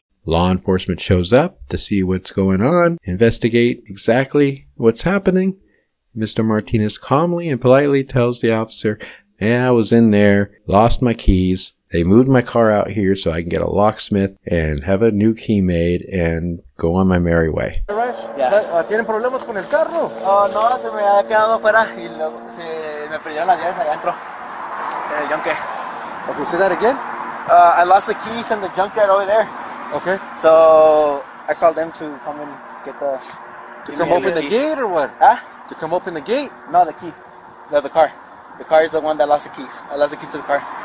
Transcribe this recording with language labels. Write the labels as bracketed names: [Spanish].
[English] Law enforcement shows up to see what's going on, investigate exactly what's happening. Mr. Martinez calmly and politely tells the officer, "Yeah, I was in there, lost my keys. They moved my car out here so I can get a locksmith and have a new key made and go on my merry way." All right. Yeah. [Spanish] ¿Tienen problemas con el carro? No, se me había quedado fuera y luego se me perdieron las llaves adentro. [English] Okay, say that again. I lost the keys in the junkyard over there. Okay. So I called them to come and get the... To come open the gate or what? Huh? To come open the gate? No, the key. No, the car. The car is the one that lost the keys. I lost the keys to the car.